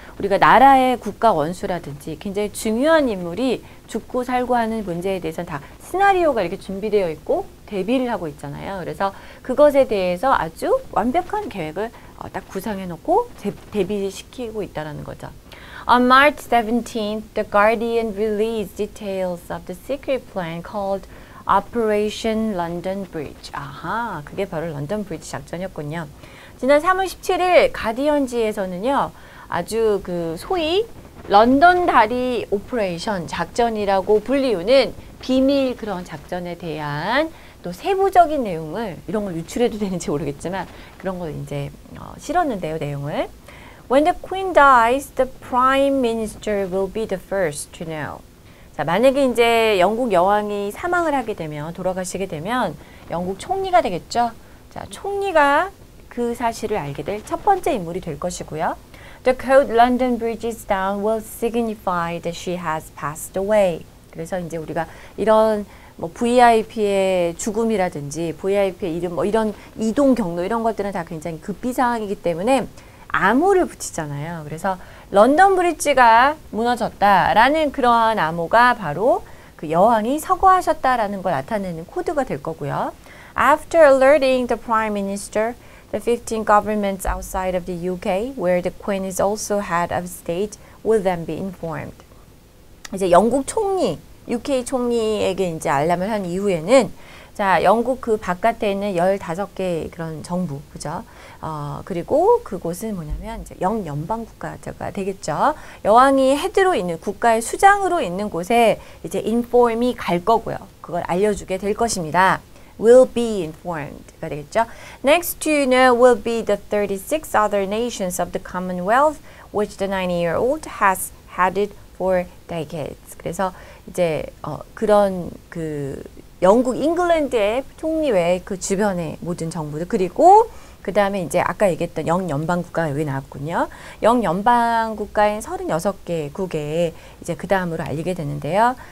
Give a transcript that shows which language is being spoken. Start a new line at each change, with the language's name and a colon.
Korean: 우리가 나라의 국가 원수라든지 굉장히 중요한 인물이 죽고 살고 하는 문제에 대해서는 다 시나리오가 이렇게 준비되어 있고 대비를 하고 있잖아요. 그래서 그것에 대해서 아주 완벽한 계획을 딱 구성해 놓고 대비시키고 있다는 거죠.
English: On March 17th, The Guardian released details of the secret plan called Operation London Bridge.
Korean: 아하, 그게 바로 런던 브릿지 작전이었군요. 지난 3월 17일 가디언지에서는요, 아주 그 소위 런던 다리 오퍼레이션 작전이라고 불리우는 비밀 그런 작전에 대한 또 세부적인 내용을, 이런 걸 유출해도 되는지 모르겠지만 그런 걸 이제 실었는데요, 내용을.
English: When the queen dies, the prime minister will be the first to know.
Korean: 자, 만약에 이제 영국 여왕이 사망을 하게 되면, 돌아가시게 되면 영국 총리가 되겠죠. 자, 총리가 그 사실을 알게 될 첫 번째 인물이 될 것이고요.
English: The code London Bridge is down will signify that she has passed away.
Korean: 그래서 이제 우리가 이런 뭐 VIP의 죽음이라든지 VIP의 이름, 뭐 이런 이동 경로, 이런 것들은 다 굉장히 급비 상황이기 때문에 암호를 붙이잖아요. 그래서 런던 브릿지가 무너졌다라는 그러한 암호가 바로 그 여왕이 서거하셨다라는 걸 나타내는 코드가 될 거고요.
English: After alerting the Prime Minister, the 15 governments outside of the UK, where the Queen is also head of state, will then be informed.
Korean: 이제 영국 총리, UK 총리에게 이제 알람을 한 이후에는, 자, 영국 그 바깥에 있는 15개 그런 정부, 그죠? 그리고 그곳은 뭐냐면 이제 영연방국가가 되겠죠. 여왕이 헤드로 있는, 국가의 수장으로 있는 곳에 이제 inform이 갈 거고요. 그걸 알려주게 될 것입니다.
English: Will be informed
Korean: 가 되겠죠.
English: Next to know will be the 36 other nations of the Commonwealth, which the 90-year-old has headed for decades.
Korean: 그래서 이제 그런 그 영국 잉글랜드의 총리 외에 그 주변의 모든 정부들, 그리고 그 다음에 이제 아까 얘기했던 영연방국가가 여기 나왔군요. 영연방국가인 36개 국에 이제 그 다음으로 알리게 되는데요.